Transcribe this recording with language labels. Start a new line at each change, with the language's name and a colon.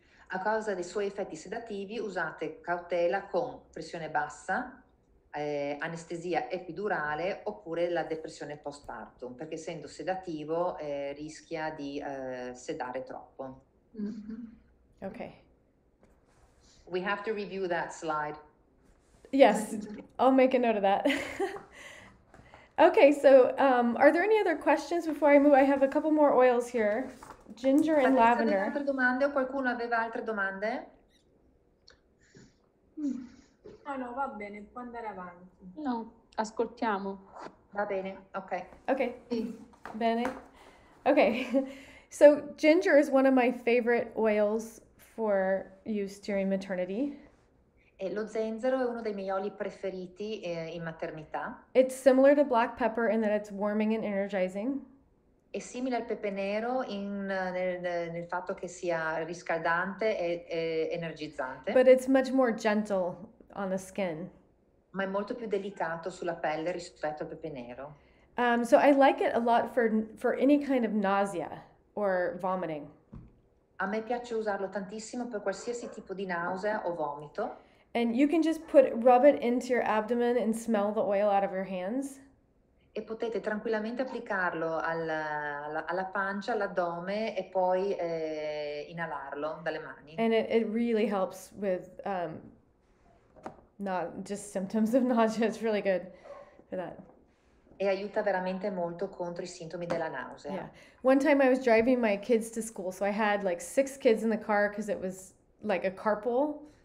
Italian: A causa dei suoi effetti sedativi, usate cautela con pressione bassa, anestesia epidurale oppure la depressione postpartum, perché essendo sedativo rischia di sedare troppo. Mm-hmm. Ok.
English: We have to review that slide. Yes, I'll make a note of that. Okay, so are there any other questions before I move? I have a couple more oils here. Ginger and lavender.
Italian: Altre domande o qualcuno aveva altre domande? No, no, va bene, può andare avanti. No, ascoltiamo. Va bene, ok. Ok, bene.
English: Ok, so ginger is one of my favorite oils for use during maternity.
Italian: E lo zenzero è uno dei miei oli preferiti in maternità.
English: It's similar to black pepper in that it's warming and energizing.
Italian: È simile al pepe nero nel fatto che sia riscaldante e energizzante.
English: But it's much more gentle on the skin.
Italian: Ma è molto più delicato sulla pelle rispetto al pepe nero.
English: So I like it a lot for any kind of nausea or vomiting.
Italian: A me piace usarlo tantissimo per qualsiasi tipo di nausea o vomito.
English: And you can just rub it into your abdomen and smell the oil out of your hands.
Italian: E potete tranquillamente applicarlo alla pancia, all'addome e poi inalarlo dalle mani.
English: And it really helps with not just symptoms of nausea, it's really good for that.
Italian: E aiuta veramente molto contro i sintomi della nausea.
English: Yeah. One time I was driving my kids to school, so I had like 6 kids in the car because it was like a carpool.